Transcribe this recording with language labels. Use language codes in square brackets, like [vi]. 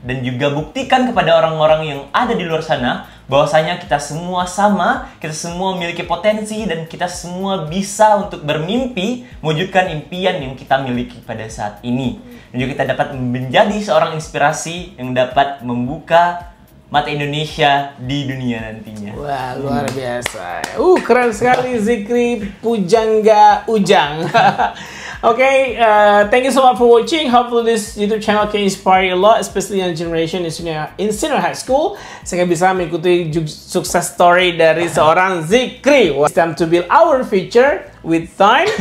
[id] Dan juga buktikan kepada orang-orang yang ada di luar sana bahwasanya kita semua sama, kita semua memiliki potensi, dan kita semua bisa untuk bermimpi, mewujudkan impian yang kita miliki pada saat ini. Dan juga kita dapat menjadi seorang inspirasi yang dapat membuka mata Indonesia di dunia nantinya. Wah, luar biasa. Keren sekali Zikri Pujangga Ujang. [en] Oke, thank you so much for watching. Hopefully this YouTube channel can inspire you a lot, especially young generation in senior high school. [id] Sehingga bisa mengikuti [en] success story [id] dari seorang Zikri. [en] It's time to build our future with time.